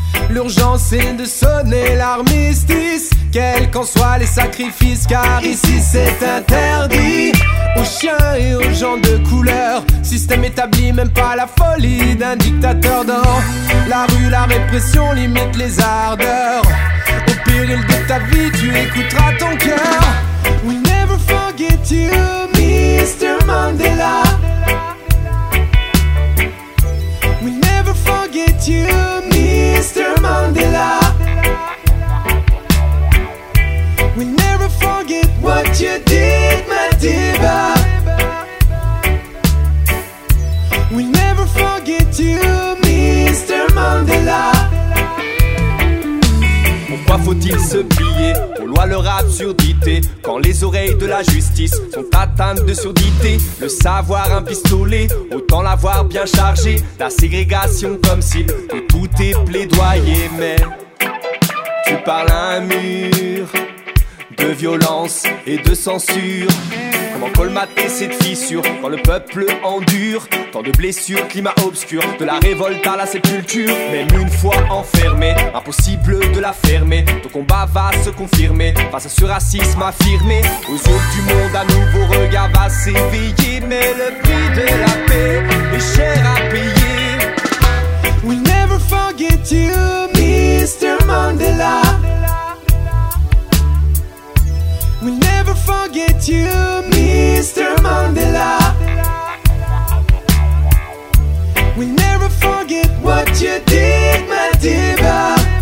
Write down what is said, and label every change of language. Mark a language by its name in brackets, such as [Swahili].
[French] L'urgence est de sonner l'armistice. Quels qu'en soient les sacrifices, car ici c'est interdit aux chiens et aux gens de couleur. Système établi, même pas la folie d'un dictateur. Dans la rue, la répression limite les ardeurs. Au péril de ta vie, tu écouteras ton cœur. [English] We'll never forget you, Mr. Mandela. We'll never forget you, Mr. Mandela. We'll never forget what you did, Madiba. We'll never forget you, Mr. Mandela. [French] Pourquoi faut-il se plier aux lois, leur absurdité, quand les oreilles de la justice sont atteintes de surdité? Le savoir un pistolet, autant l'avoir bien chargé. La ségrégation comme cible, que tout est plaidoyer. Mais tu parles à un mur de violence et de censure. Comment colmater cette fissure quand le peuple endure tant de blessures, climat obscur, de la révolte à la sépulture. Même une fois enfermé, impossible de la fermer. Ton combat va se confirmer face à ce racisme affirmé. Aux yeux du monde, un nouveau regard va s'éveiller. Mais le prix de la paix est cher à payer. [English] We'll never forget you, Mr. Mandela. We'll never forget you, Mr. Mandela. We'll never forget what you did, Madiba.